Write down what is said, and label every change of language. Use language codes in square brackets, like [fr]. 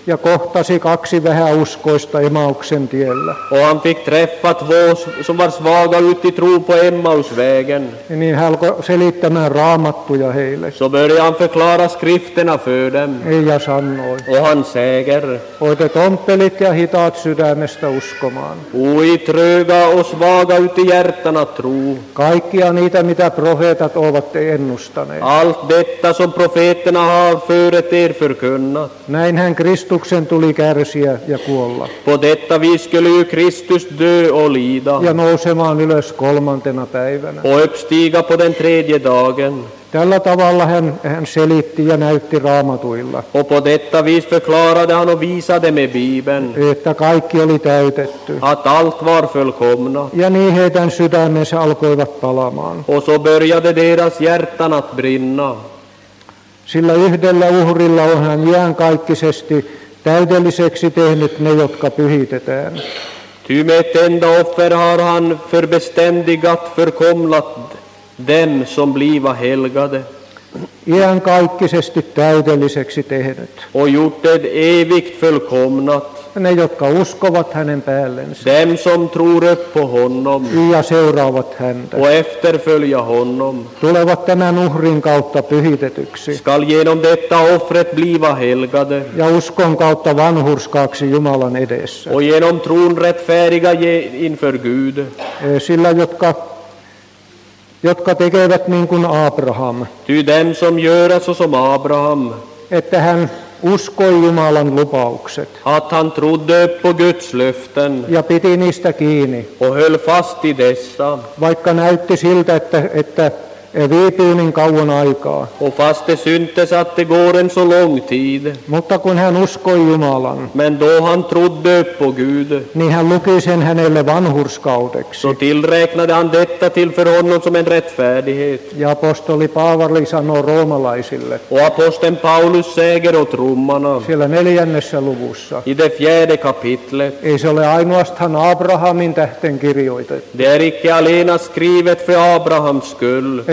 [fi] Ja kohtasi kaksi vähäuskoista Emmauksen tiellä. [sv] Och han fick träffa två som var svaga ut i tro på Emmausvägen. [fi] Niin hän alkoi selittämään raamattuja heille. [sv] Så började han förklara skriften. För dem. [fi] Ja sanoi. [sv] Och han säger. [fi] Oite tomppelit ja hitaat sydämestä uskomaan. [sv] Ui tröga och svaga ut i hjärtana tro. [fi] Kaikkia niitä, mitä profeetat ovat ennustaneet. [sv] Allt detta som profeterna har föret er förkunnat. [fi] Näinhän Kristuksen tuli kärsiä ja kuolla. [sv] På detta vis skulle ju Kristus dö och lida. [fi] Ja nousemaan ylös kolmantena päivänä. [sv] Och uppstiga på den tredje dagen. [fi] Tällä tavalla hän selitti ja näytti raamatuilla. [sv] Och på detta vis förklarade han och visade med Bibeln. [fi] Että kaikki oli täytetty. [sv] Att allt var fullkomna. [fi] Ja niin heidän sydämensä alkoivat palamaan. [sv] Och så började deras hjärtan att brinna. [fi] Sillä yhdellä uhrilla on hän iankaikkisesti täydelliseksi tehnyt ne, jotka pyhitetään. [sv] Ty med ett enda offer har han förbeständigat förkomlat. Dem som bliva helgade. [fi] Iankaikkisesti täydelliseksi tehnyt. [sv] Och gjort det evigt fullkomnat. [fi] ne jotka uskovat hänen päällensä. [sv] Dem som tror på honom. [fi] Ja seuraavat häntä. [sv] Och efterfölja honom. [fi] Tulevat tämän uhrin kautta pyhitetyksi. [sv] Skall genom detta offret bliva helgade. [fi] Ja uskon kautta vanhurskaaksi Jumalan edessä. [sv] Och genom tron rättfärdiga inför Gud. [fi] Sillä jotka tekevät niin kuin Abraham. [sv] Ty dem som göra så som Abraham. [fi] Että hän uskoi Jumalan lupaukset. [sv] Att han trodde på Guds löften. [fi] Ja piti niistä kiinni. [sv] Och höll fast i dessa. [fi] Vaikka näytti siltä, että viipyy niin kauan aikaa. [sv] Och fast det syntes att det går en så lång tid. [fi] Mutta kun hän uskoi Jumalan. [sv] Men då han trodde på Gud. [fi] Niin hän luki sen hänelle vanhurskaudeksi. [sv] Så tillräknade han detta till för honom som en rättfärdighet. [fi] Ja apostoli Paavali sanoo roomalaisille. [sv] Och aposteln Paulus säger åt romarna. [fi] Siellä 4. luvussa. [sv] I det 4:e kapitlet. [fi] Ei se ole ainoastaan Abrahamin tähten kirjoitettu. [sv] Det är icke alena skrivet för Abrahams skull.